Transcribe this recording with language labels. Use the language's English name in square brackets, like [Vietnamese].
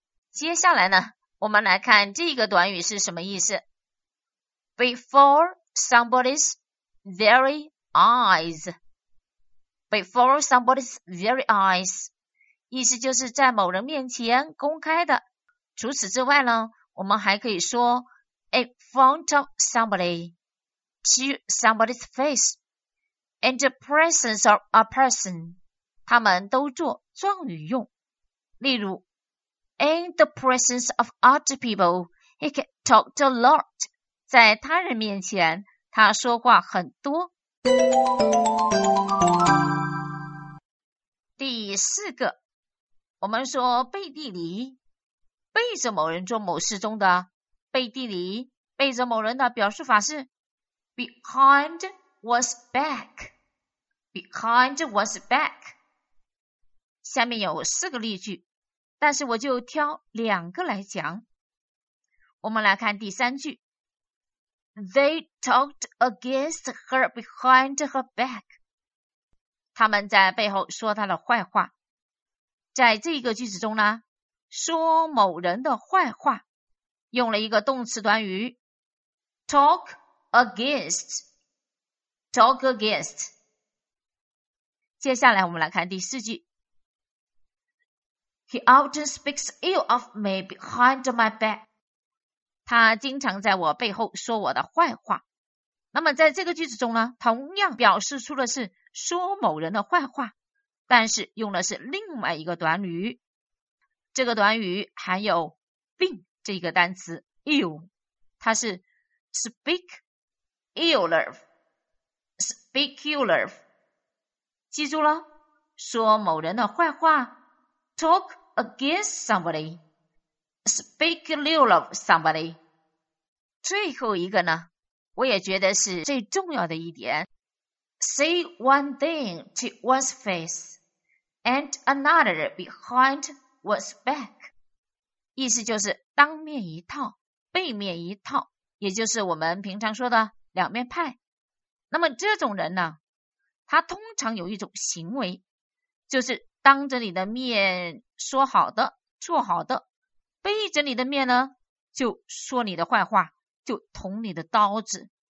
[Chinese] 接下来呢，我们来看这个短语是什么意思。 [English] BeforeSomebody's very eyes. Before somebody's very eyes. [Chinese] 意思就是在某人面前公开的。除此之外呢，我们还可以说 [English] in front of somebody, to somebody's face, in the presence of a person. [Chinese] 他们都做状语用。 [English] 例如 in the presence of other people, he can talk a lot. [Chinese] 在他人面前他说话很多。第四个，我们说背地里，背着某人做某事中的背地里，背着某人的表述法是 [English] behind one's back， [Chinese] behind one's back。下面有四个例句，但是我就挑两个来讲。我们来看第三句， [English] They talked against her behind her back. [Chinese] 他们在背后说她的坏话。在这个句子中呢，说某人的坏话，用了一个动词短语 [English] talk against, talk against。 [Chinese] 接下来我们来看第四句。 [English] He often speaks ill of me behind my back. [Chinese] 他经常在我背后说我的坏话。那么在这个句子中呢，同样表示出的是说某人的坏话，但是用的是另外一个短语。这个短语含有 being 这个单词 ill， 它是 [English] speak ill of， [Chinese] speak ill of。记住了，说某人的坏话。 [English] Talk against somebody, speak ill of somebody. [Chinese] 最后一个呢，我也觉得是最重要的一点。 [English] Say one thing to one's face, and another behind one's back. [Chinese] 意思就是当面一套，背面一套，也就是我们平常说的两面派。那么这种人呢，他通常有一种行为，就是当着你的面说好的做好的，背着你的面呢就说你的坏话，就捅你的刀子。